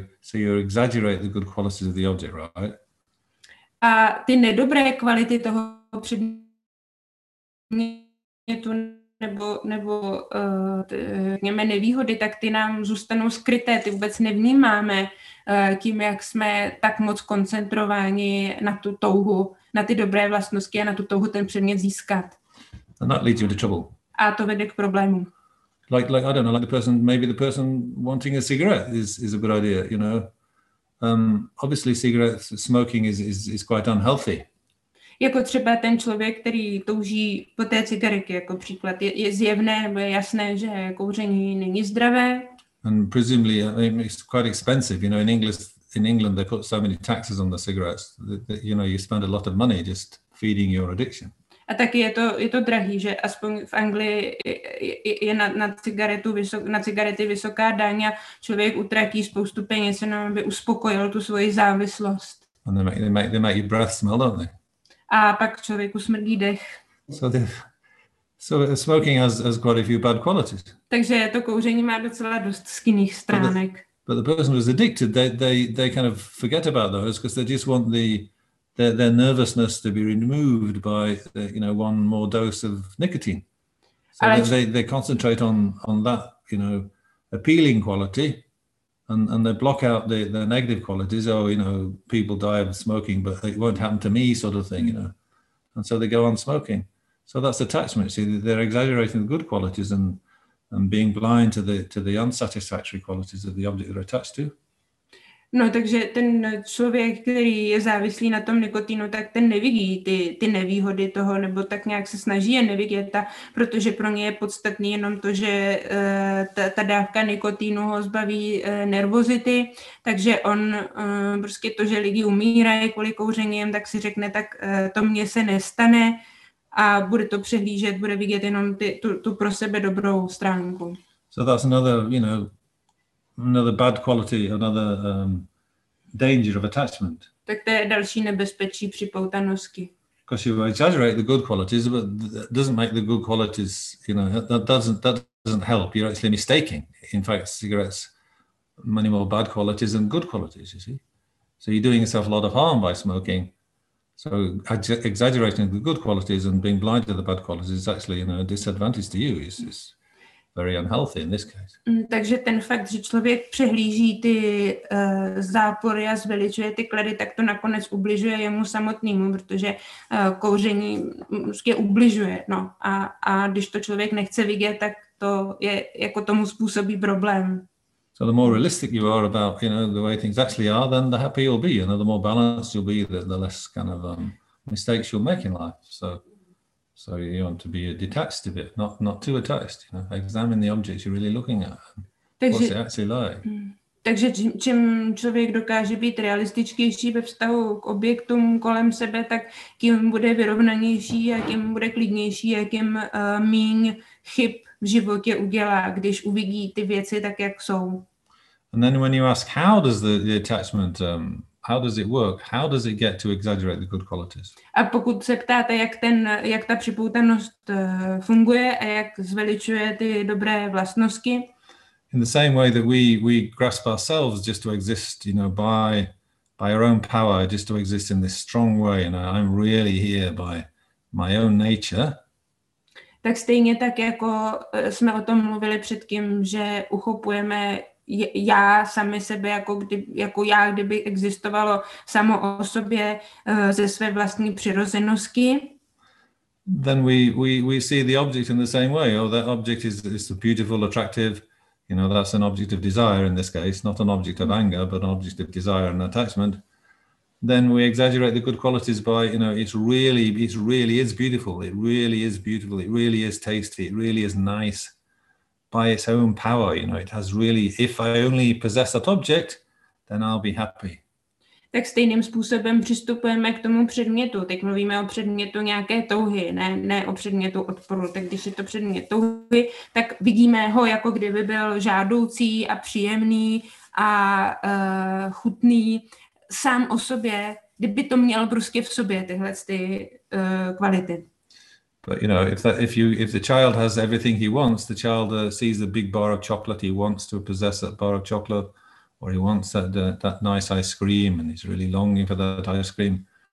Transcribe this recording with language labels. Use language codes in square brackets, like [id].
[en] So you exaggerate the good qualities of the object, right? [cs] A ty nedobré kvality toho předmětu nebo nevýhody, tak ty nám zůstanou skryté, ty vůbec nevnímáme tím, jak jsme tak moc koncentrováni na tu touhu, na ty dobré vlastnosti a na tu touhu ten předmět získat. [en] And that leads you to trouble. [cs] A to vede k problémům. [en] Like I don't know, like the person, maybe the person wanting a cigarette is a good idea, you know. Obviously cigarette smoking is quite unhealthy. [cs] Jako třeba ten člověk, který touží po té cigaretě, jako příklad, je zjevné nebo je jasné, že kouření není zdravé. [en] And presumably, I mean, it's quite expensive. You know, in England, they put so many taxes on the cigarettes that you know, you spend a lot of money just feeding your addiction. [cs] A taky je to drahý, že aspoň v Anglii je na cigarety vysoká daň a člověk utratí spoustu peněz, jenom aby uspokojil tu svoji závislost. [en] And they make your breath smell, don't they? [cs] A pak člověku smrdí dech. [en] So smoking has quite a few bad qualities. [cs] Takže to kouření má docela dost skinných stránek. [en] But the person who's addicted, they kind of forget about those because they just want their nervousness to be removed by one more dose of nicotine. So they concentrate on that appealing quality, and they block out the negative qualities. Oh, people die of smoking, but it won't happen to me, sort of thing, and so they go on smoking. So that's attachment. See, they're exaggerating the good qualities and being blind to the unsatisfactory qualities of the object they're attached to. [cs] No, takže ten člověk, který je závislý na tom nikotinu, tak ten nevidí ty nevýhody toho, nebo tak nějak se snaží je nevidět, protože pro ně je podstatný jenom to, že ta dávka nikotinu ho zbaví nervozity, takže on prostě to, že lidi umírají kvůli kouřením, tak si řekne, tak to mně se nestane a bude to přehlížet, bude vidět jenom tu pro sebe dobrou stránku. [en] So that's another bad quality, another danger of attachment. [cs] Tak to je další nebezpečí připoutanosti. [en] Because you exaggerate the good qualities, but that doesn't make the good qualities, that doesn't help. You're actually mistaking. In fact, cigarettes have many more bad qualities than good qualities, you see. So you're doing yourself a lot of harm by smoking. So exaggerating the good qualities and being blind to the bad qualities is actually a disadvantage to you. It's very unhealthy in this case. [cs] Takže ten fakt, že člověk přehlíží ty zápory a zveličuje ty klady, tak to nakonec ubližuje jemu samotnému, protože kouření je ubližuje. No. A když to člověk nechce vidět, tak to je jako tomu způsobí problém. [en] So the more realistic you are about the way things actually are, then the happier you'll be. You know, the more balanced you'll be, the less mistakes you'll make in life. So you want to be detached a bit, not too attached. Examine the object you're really looking at. [cs] Takže, [en] what's it actually like? [cs] Takže čím člověk dokáže být realističtější ve vztahu k objektům kolem sebe, tak tím bude vyrovnanější a tím bude klidnější a tím míň chyb v životě udělá, když uvidí ty věci tak, jak jsou. [en] And then when you ask, how does the attachment... How does it work? How does it get to exaggerate the good qualities? [cs] A pokud se ptáte, jak ta připoutanost funguje a jak zveličuje ty dobré vlastnosti? [en] In the same way that we grasp ourselves just to exist, by our own power, just to exist in this strong way, I'm really here by my own nature. [cs] Tak stejně tak, jako jsme o tom mluvili předtím, že uchopujeme já sami sebe, jako já, kdyby existovalo samo o sobě ze své vlastní přirozenosti. [en] Then we see the object in the same way. Oh, that object is a beautiful, attractive, you know, that's an object of desire in this case, not an object of anger, but an object of desire and attachment. Then we exaggerate the good qualities by, you know, it really is beautiful. It really is beautiful. It really is tasty. It really is nice by its own power. You know, it has really, if I only possess that object, then I'll be happy. [cs] Tak stejným způsobem přistupujeme k tomu předmětu. Teď mluvíme o předmětu nějaké touhy, ne o předmětu odporu. Tak když je to předmět touhy, tak vidíme ho, jako kdyby byl žádoucí a příjemný a chutný sám o sobě, kdyby to měl prostě v sobě tyhle ty kvality. [en] But you know, if the child has everything he wants, the child sees the big bar of chocolate, he wants to possess that bar of chocolate. Or he wants that nice ice cream, and he's really longing for that ice cream.